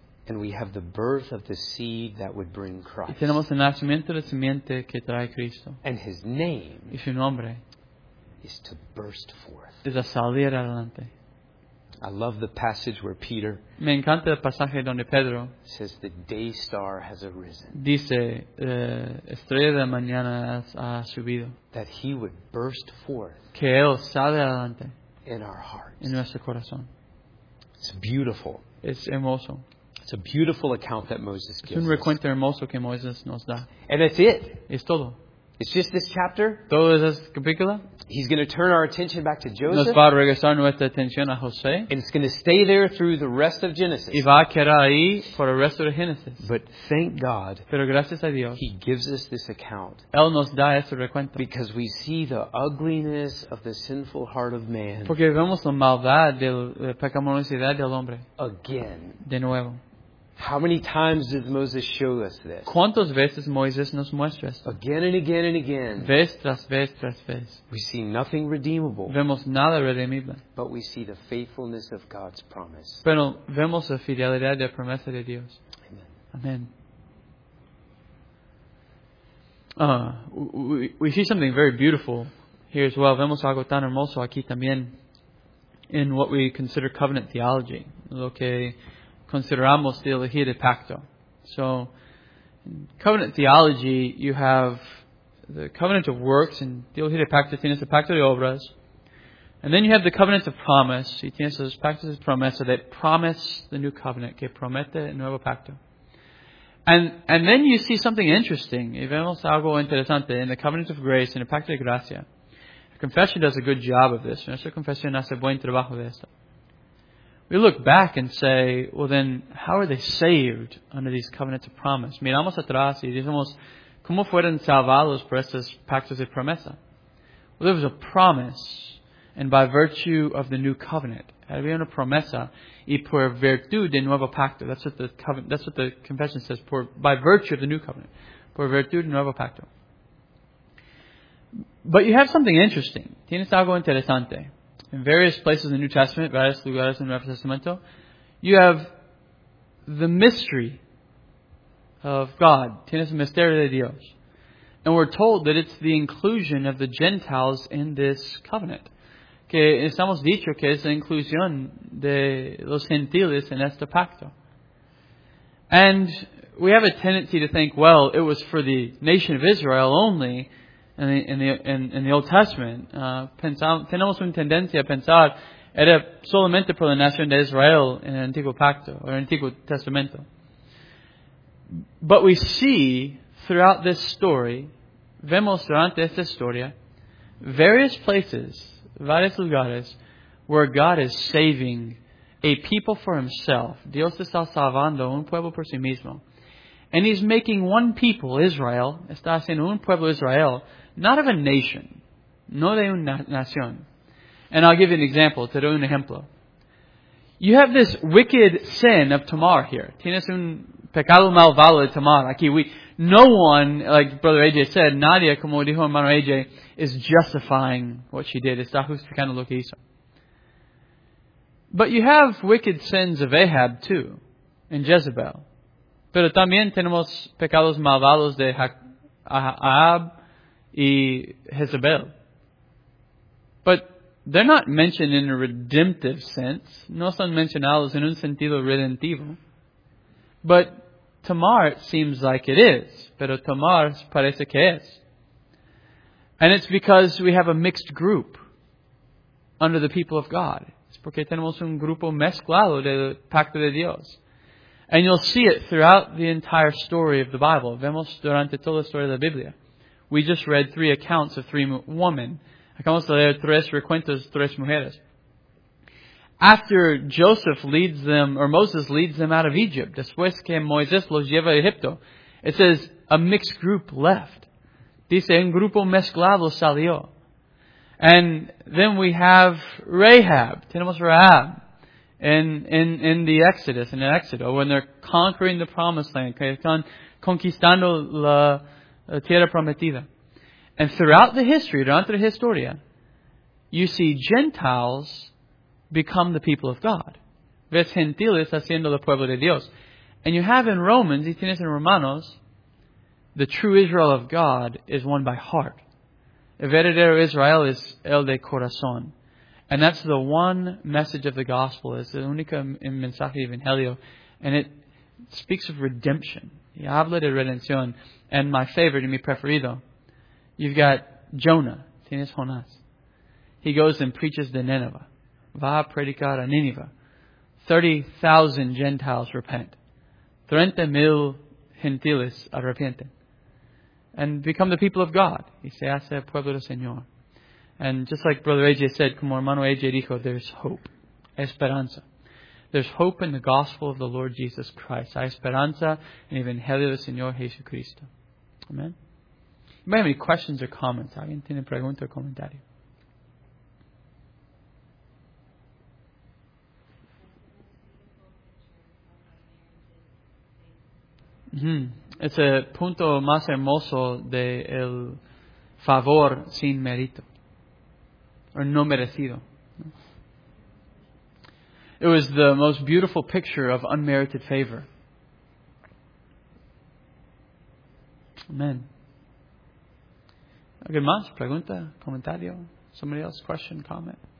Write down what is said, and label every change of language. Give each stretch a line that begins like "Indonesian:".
English: And we have the birth of the seed that would bring Christ.
Spanish: Y tenemos el nacimiento de la simiente que trae Cristo.
English: And his name.
Spanish: Y su nombre.
English: Is to burst forth.
Spanish: Es a salir adelante.
English: I love the passage where Peter.
Spanish: Me encanta el pasaje donde Pedro.
English: Says the day star has arisen.
Spanish: Dice estrella de la mañana ha subido.
English: That he would burst forth.
Spanish: Que él sale adelante.
English: In our hearts.
Spanish: En nuestro corazón.
English: It's beautiful.
Spanish: Es hermoso.
English: It's a beautiful account that Moses gives.
Spanish: Es un recuento hermoso que Moisés nos da.
English: And it's it.
Spanish: Es todo.
English: It's just this chapter.
Spanish: Todo es este capítulo.
English: He's going to turn our attention back to Joseph.
Spanish: Nos va a regresar nuestra atención a José.
English: And it's going to stay there through the rest of Genesis.
Spanish: Y va a quedar ahí por el resto de Genesis.
English: But thank God.
Spanish: Pero gracias a Dios.
English: He gives us this account.
Spanish: Él nos da este recuento.
English: Because we see the ugliness of the sinful heart of man.
Spanish: Porque vemos la maldad de la pecaminosidad del hombre.
English: Again.
Spanish: De nuevo.
English: How many times did Moses show us this?
Spanish: ¿Cuántas veces Moisés nos muestra esto?
English: Again and again and again.
Spanish: Vez tras vez tras vez.
English: We see nothing redeemable.
Spanish: Vemos nada redimible.
English: But we see the faithfulness of God's promise.
Spanish: Pero vemos la fidelidad de la promesa de Dios.
English: Amen.
Spanish: Amen.
English: We see something very beautiful here as well.
Spanish: Vemos algo tan hermoso aquí también
English: in what we consider covenant theology.
Spanish: Lo que consideramos teología de pacto.
English: So, in covenant theology, you have the covenant of works, and
Spanish: teología de pacto tienes el pacto de obras.
English: And then you have the covenant of promise,
Spanish: y tienes los pactos de promesa,
English: that promise the new covenant,
Spanish: que promete el nuevo pacto.
English: And then you see something interesting,
Spanish: y vemos algo interesante,
English: in the covenant of grace, and
Spanish: el pacto de gracia.
English: The confession does a good job of this.
Spanish: Nuestra confesión hace buen trabajo de esto.
English: We look back and say, well then, how are they saved under these covenants of promise?
Spanish: Miramos atrás y decimos, ¿cómo fueron salvados por estos pactos de promesa?
English: Well, there was a promise, and by virtue of the new covenant,
Spanish: había una promesa, y por virtud del nuevo pacto.
English: That's what the covenant, that's what the confession says, by virtue of the new covenant,
Spanish: por virtud del nuevo pacto.
English: But you have something interesting.
Spanish: Tienes algo interesante.
English: In various places in the New Testament,
Spanish: various lugares
English: in the
Spanish: Nuevo Testamento,
English: you have the mystery of God.
Spanish: Tienes el misterio de Dios.
English: And we're told that it's the inclusion of the Gentiles in this covenant.
Spanish: Que estamos dicho que es la inclusión de los gentiles en este pacto.
English: And we have a tendency to think, well, it was for the nation of Israel only. In the Old Testament,
Spanish: tenemos una tendencia a pensar era solamente por la nación de Israel en el Antiguo Pacto o el Antiguo Testamento.
English: But we see throughout this story,
Spanish: vemos durante esta historia,
English: various places,
Spanish: varios lugares,
English: where God is saving a people for himself.
Spanish: Dios está salvando un pueblo por sí mismo.
English: And he's making one people, Israel,
Spanish: está haciendo un pueblo Israel,
English: not of a nation,
Spanish: no de una nación.
English: And I'll give you an example,
Spanish: te doy un ejemplo.
English: You have this wicked sin of Tamar here.
Spanish: Tienes un pecado malvado de Tamar aquí.
English: No one, like Brother AJ said,
Spanish: nadie, como dijo hermano AJ, is justifying what she did. Está justificando lo que hizo.
English: But you have wicked sins of Ahab too, and Jezebel.
Spanish: Pero también tenemos pecados malvados de Ahab y Jezebel.
English: But they're not mentioned in a redemptive sense.
Spanish: No son mencionados en un sentido redentivo.
English: But Tamar, it seems like it is.
Spanish: Pero Tamar parece que es.
English: And it's because we have a mixed group under the people of God.
Spanish: Es porque tenemos un grupo mezclado del pacto de Dios.
English: And you'll see it throughout the entire story of the Bible.
Spanish: Vemos durante toda la historia de la Biblia.
English: We just read three accounts of three women.
Spanish: Acabamos de leer tres recuentos, tres mujeres.
English: After Joseph leads them, or Moses leads them out of Egypt,
Spanish: después que Moisés los lleva a Egipto,
English: it says a mixed group left.
Spanish: Dice, un grupo mezclado salió.
English: And then we have Rahab,
Spanish: tenemos Rahab.
English: In the Exodus, in the Exodus, when they're conquering the promised land,
Spanish: que están conquistando la tierra prometida.
English: And throughout the history,
Spanish: durante la historia,
English: you see Gentiles become the people of God.
Spanish: Ves gentiles haciendo el pueblo de Dios.
English: And you have in Romans,
Spanish: y tienes en Romanos,
English: the true Israel of God is one by heart.
Spanish: El verdadero Israel es el de corazón.
English: And that's the one message of the gospel. It's the
Spanish: único mensaje del Evangelio.
English: And it speaks of redemption.
Spanish: Y habla de redención.
English: And my favorite, and
Spanish: mi preferido,
English: you've got Jonah.
Spanish: Tienes Jonás.
English: He goes and preaches to Nineveh.
Spanish: Va a predicar a Nineveh.
English: 30,000 Gentiles repent.
Spanish: 30,000 gentiles arrepienten.
English: And become the people of God.
Spanish: Y se hace pueblo del Señor.
English: And just like Brother AJ said,
Spanish: como hermano AJ dijo,
English: there's hope.
Spanish: Esperanza.
English: There's hope in the gospel of the Lord Jesus Christ.
Spanish: Hay esperanza en el Evangelio del Señor Jesucristo.
English: Amen. You may have any questions or comments.
Spanish: ¿Alguien tiene pregunta o comentario? Mm-hmm. Es el punto más hermoso de el favor sin mérito. O no merecido.
English: It was the most beautiful picture of unmerited favor.
Spanish: Amen. ¿Alguien más? ¿Pregunta? ¿Comentario?
English: ¿Somebody else? ¿Question? ¿Comment?